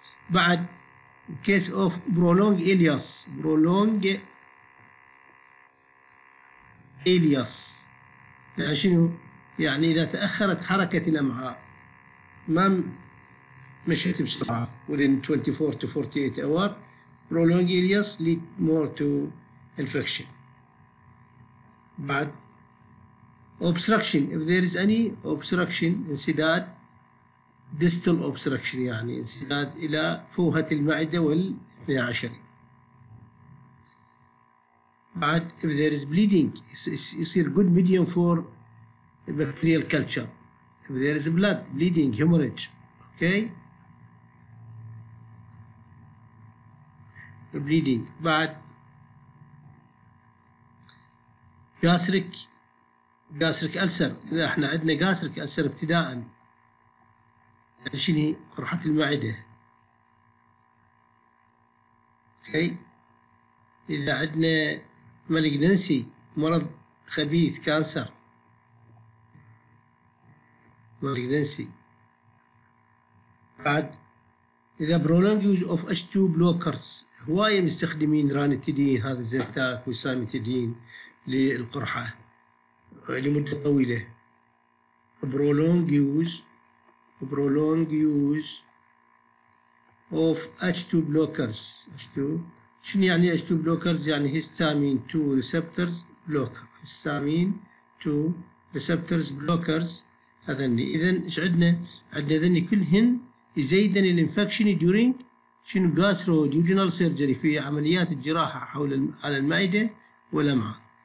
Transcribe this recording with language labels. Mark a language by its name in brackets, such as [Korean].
[English] بعد in case of prolonged ileus, [Arabic] يعني شنو؟ يعني إذا تأخرت حركة الأمعاء ما مشيت بسرعة [English] within 24 to 48 hour prolonged ileus lead more to infection. [Arabic] بعد obstruction, [English] if there is any obstruction, [Arabic] انسداد distal obstruction يعني انسداد إلى فوهة المعدة والاثني عشر. [English] بعد if there is bleeding, يصير good medium for bacterial culture. If there is blood, bleeding, hemorrhage, okay? Bleeding. [Arabic] بعد gastric ألسر. إذا إحنا عندنا gastric ألسر ابتداء عشيني قرحة المعدة. [English] Okay. [Arabic] إذا عندنا malignancy مرض خبيث كانسر. [English] Malignancy. [Arabic] بعد إذا [English] prolonged use of H2 blockers [Arabic] هواية مستخدمين رانيتيدين هذا زيتاك وسامتيدين للقرحة لمدة طويلة. [English] prolonged use of H2 blockers. H2 شنو يعني H2 blockers؟ يعني histamine 2 receptors blocker. histamine 2 receptors blockers هذني. [Arabic] إذا إيش عندنا؟ عندنا هذني كلهن يزيدن الانفكشن during شنو gastro duodenal surgery في عمليات الجراحة حول على المعدة والأمعاء.